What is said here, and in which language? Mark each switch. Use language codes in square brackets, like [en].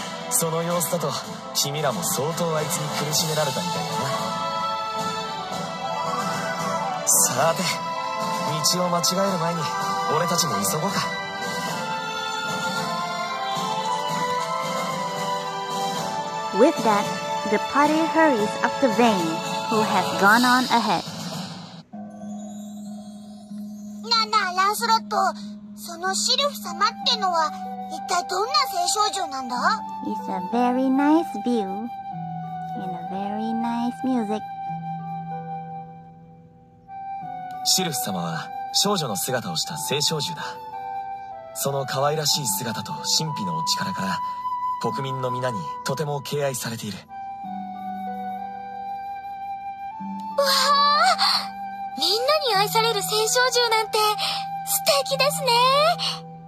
[ja] その様子だと、君らも相当あいつに苦しめられたみたいだな。さて、道を間違える前に俺たちも急ごうか。 [en] With that, the party hurries after Vayne, who has gone on ahead. [ja] なんだ、ランスロット。そのシルフ様ってのは、一体どんな聖少女なんだ? [en] It's a very nice view, and a very nice music. [ja] シルフ様は、少女の姿をした聖少女だ。その可愛らしい姿と神秘のお力から、国民の皆にとても敬愛されている。わあ、みんなに愛される聖少女なんて素敵ですね。